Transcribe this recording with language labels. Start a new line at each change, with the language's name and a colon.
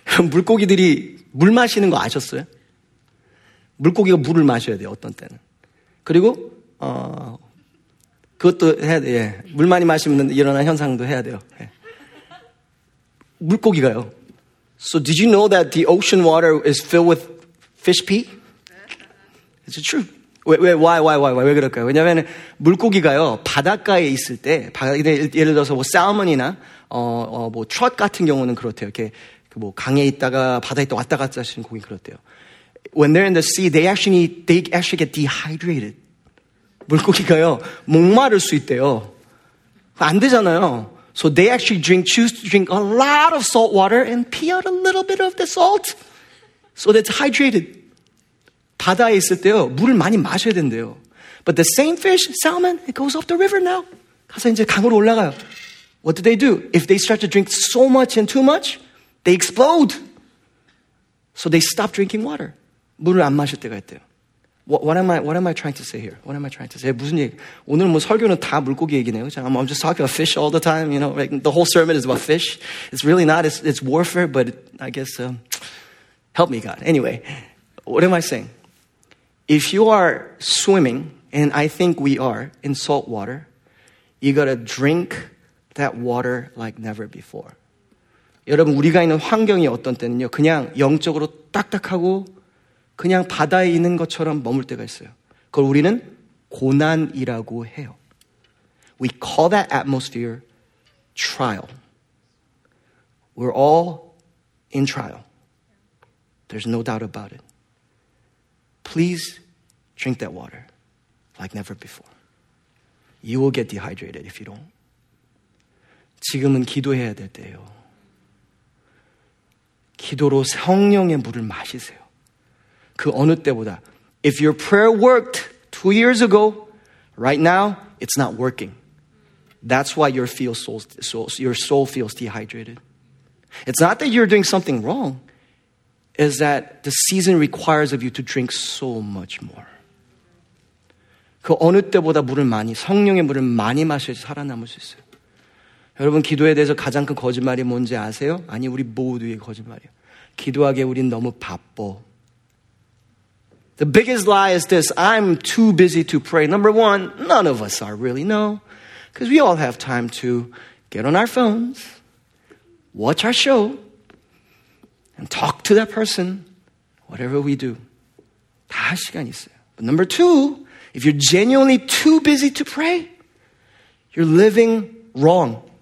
Korean: 물고기들이 물 마시는 거 아셨어요? 물고기가 물을 마셔야 돼요, 어떤 때는. 그리고 그것도 해야 돼요. 예. 물 많이 마시면 일어나는 현상도 해야 돼요. 예. 물고기가요.
English: So did you know that the ocean water is filled with fish pee? Is it true? Why?
Korean: 왜 그럴까요? 왜냐하면 물고기가요 바닷가에 있을 때 예를 들어서 뭐 살몬이나 뭐 트롯 같은 경우는 그렇대요. 이렇게 뭐 강에 있다가 바다에 있다 왔다 갔다 하시는 고기 그렇대요.
English: When they're in the sea, they actually get dehydrated.
Korean: 물고기가요 목마를 수 있대요. 안 되잖아요.
English: So they actually choose to drink a lot of salt water and pee out a little bit of the salt. So that's hydrated.
Korean: 바다에 있을 때요 물을 많이 마셔야 된대요.
English: But the same fish, salmon, it goes off the river now.
Korean: 가서 이제 강으로 올라가요.
English: What do? If they start to drink so much and too much, they explode. So they stop drinking water.
Korean: 물을 안 마실 때가 있대요.
English: What am I trying to say here? What am I trying to say?
Korean: 무슨 얘기? 오늘 뭐 설교는 다 물고기 얘기네요.
English: I'm just talking about fish all the time. You know, like the whole sermon is about fish. It's really not. It's warfare, but I guess, help me, God. Anyway, what am I saying? If you are swimming, and I think we are, in salt water, you gotta drink that water like never before.
Korean: 여러분, 우리가 있는 환경이 어떤 때는요, 그냥 영적으로 딱딱하고 그냥 바다에 있는 것처럼 머물 때가 있어요. 그걸 우리는 고난이라고 해요.
English: We call that atmosphere trial. We're all in trial. There's no doubt about it. Please drink that water like never before. You will get dehydrated if you don't.
Korean: 지금은 기도해야 될 때예요. 기도로 성령의 물을 마시세요. 그 어느 때보다.
English: If your prayer worked 2 years ago, right now, it's not working. That's why your soul feels dehydrated. It's not that you're doing something wrong. It's that the season requires of you to drink so much more.
Korean: 그 어느 때보다 물을 많이, 성령의 물을 많이 마셔야 살아남을 수 있어요. 여러분, 기도에 대해서 가장 큰 거짓말이 뭔지 아세요? 아니, 우리 모두의 거짓말이에요. 기도하기에 우린 너무 바빠.
English: The biggest lie is this. I'm too busy to pray. Number one, none of us are really, no. Because we all have time to get on our phones, watch our show, and talk to that person, whatever we do.
Korean: 다 할 시간이 있어요.
English: But number two, if you're genuinely too busy to pray, you're living wrong.